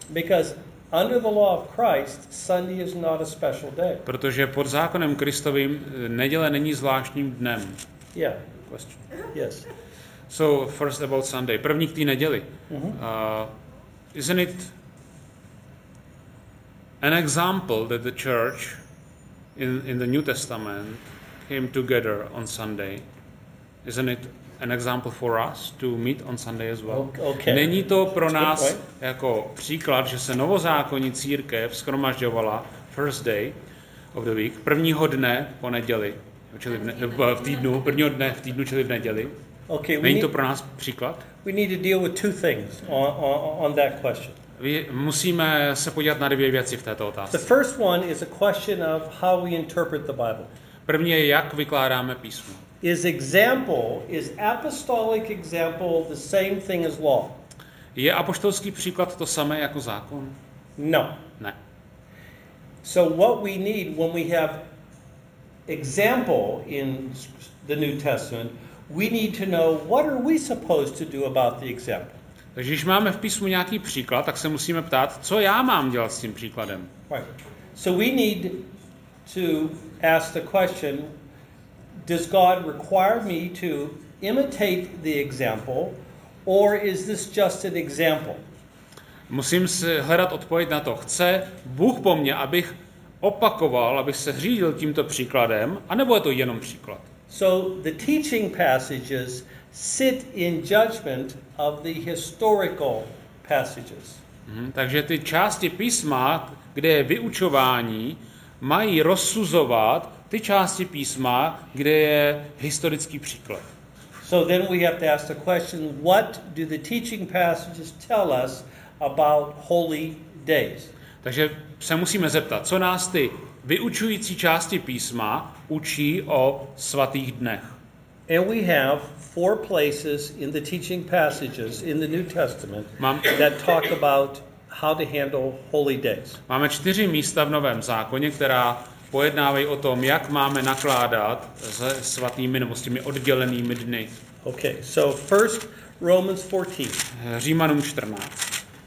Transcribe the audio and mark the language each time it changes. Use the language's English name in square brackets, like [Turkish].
[English] Because under the law of Christ, Sunday is not a special day. [Czech] Protože pod zákonem Kristovým neděle není zvláštním dnem. [English] Yeah. Question. Yes. So first about Sunday. [Czech] První k té neděli. Mm-hmm. [English] Isn't it an example that the church in the New Testament came together on Sunday. Isn't it an example for us to meet on Sunday as well? Okay. [Czech] Není to pro nás jako příklad, že se novozákonní církev shromažďovala [English] first day of the week, [Czech] prvního dne po neděli, čili v týdnu, prvního dne v týdnu, čili v neděli. [English] Okay, [Czech] není to pro nás příklad? [English] We need to deal with two things on that question. [Czech] Musíme se podívat na dvě věci v této otázce. [English] The first one is a question of how we interpret the Bible. [Czech] První je, jak vykládáme písmo. [English] Is apostolic example the same thing as law? [Czech] Je apoštolský příklad to samé jako zákon? [English] No. [Czech] Ne. [English] So what we need when we have example in the New Testament, we need to know what are we supposed to do about the example. [Czech] Takže když máme v písmu nějaký příklad, tak se musíme ptát, co já mám dělat s tím příkladem. [English] Right. So we need to ask the question, does God require me to imitate the example, or is this just an example? [Czech] Musím si hledat odpověď na to, chce Bůh po mně, abych opakoval, abych se řídil tímto příkladem, anebo je to jenom příklad? [English] So the teaching passages sit in judgment of the historical passages. [Czech] Takže ty části písma, kde je vyučování, mají rozsuzovat ty části písma, kde je historický příklad. [English] So then we have to ask the question, what do the teaching passages tell us about holy days? [Czech] Takže se musíme zeptat, co nás ty vyučující části písma učí o svatých dnech. [English] And we have four places in the teaching passages in the New Testament that talk about how to handle holy days. [Czech] Máme čtyři místa v Novém zákoně, která pojednávají o tom, jak máme nakládat se svatými nebo s těmi oddělenými dny. [English] Okay, so first Romans 14. [Czech] Římanům 14.